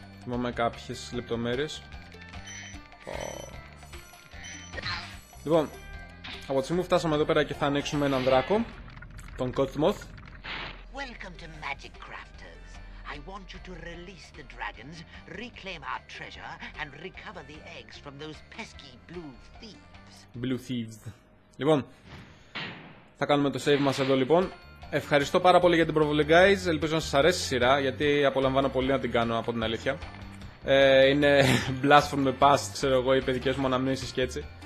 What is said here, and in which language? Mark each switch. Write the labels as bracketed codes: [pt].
[el] Θυμάμαι κάποιες λεπτομέρειες. Λοιπόν, από τη στιγμή που φτάσαμε εδώ πέρα και θα ανοίξουμε έναν δράκο, τον Κότμοθ. [en] Welcome to Magic Crafters. I want you to release the dragons, reclaim our treasure and recover the eggs from those pesky blue thieves. Blue thieves. [el] Λοιπόν, θα κάνουμε το save μας εδώ λοιπόν. Ευχαριστώ πάρα πολύ για την προβολή, guys. Ελπίζω να σας αρέσει η σειρά, γιατί απολαμβάνω πολύ να την κάνω, από την αλήθεια. Είναι [en] blast from the past, [el] ξέρω εγώ, οι παιδικές μου αναμνήσεις και έτσι.